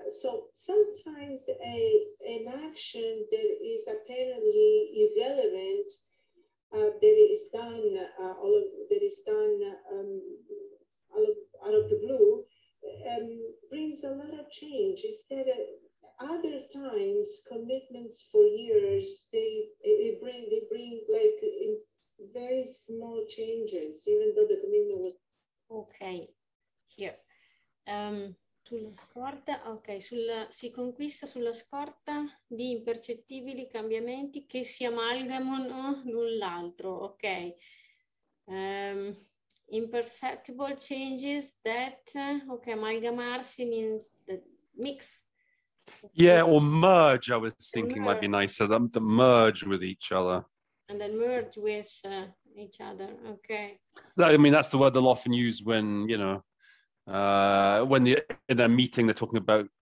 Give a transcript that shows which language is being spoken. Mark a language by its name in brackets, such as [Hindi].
[English] So sometimes an action that is apparently irrelevant, that is done out of the blue, brings a lot of change. Instead, other times, commitments for years, they bring in very small changes, even though the commitment was. Okay, here. [Italian] Sulla scorta, ok, si conquista sulla scorta di impercettibili cambiamenti che si amalgamano l'un l'altro, ok. [English] Imperceptible changes that, ok, amalgamarsi means that mix. Okay. Yeah, or merge, I was thinking merge. Might be nicer, them to merge with each other. And then merge with each other, okay. I mean, that's the word they'll often use when, you know, when in a meeting they're talking about,